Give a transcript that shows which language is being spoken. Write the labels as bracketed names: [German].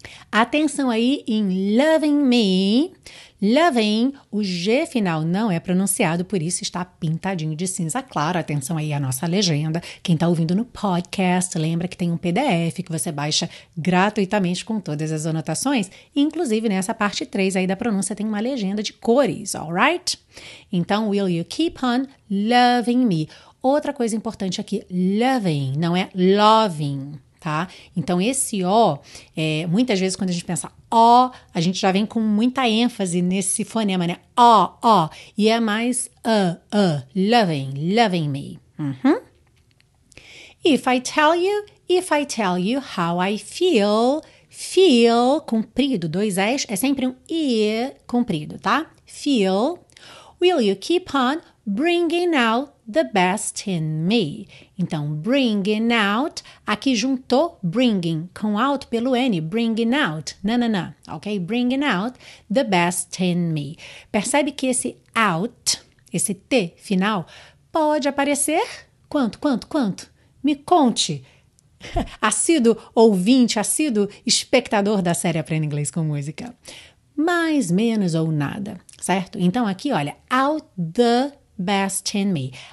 [Portuguese] Atenção aí em [English] loving me. [Portuguese] Loving, o G final não é pronunciado, por isso está pintadinho de cinza claro. Atenção aí à nossa legenda. Quem está ouvindo no podcast, lembra que tem um PDF que você baixa gratuitamente com todas as anotações. Inclusive, nessa parte 3 aí da pronúncia tem uma legenda de cores, alright? [English] Então, will you keep on loving me? [Portuguese] Outra coisa importante aqui, loving, não é loving. Tá? Então, esse O, muitas vezes quando a gente pensa O, a gente já vem com muita ênfase nesse fonema, né? O, O. E é mais [English] loving, loving me. [Portuguese] Uhum. [English] If I tell you, if I tell you how I feel, feel, [Portuguese] comprido, dois S, é sempre um I comprido, [English] tá? Feel, will you keep on bringing out the best in me? [Portuguese] Então, [English] bringing out, [Portuguese] aqui juntou bringing com out pelo N, bringing out, nananã, ok? [English] Bringing out the best in me. [Portuguese] Percebe que esse out, esse T final, pode aparecer, quanto? Me conte, assíduo ouvinte, assíduo espectador da série Aprenda Inglês com Música. mais, menos ou nada, certo? Então, aqui, olha, [English] out the best in me.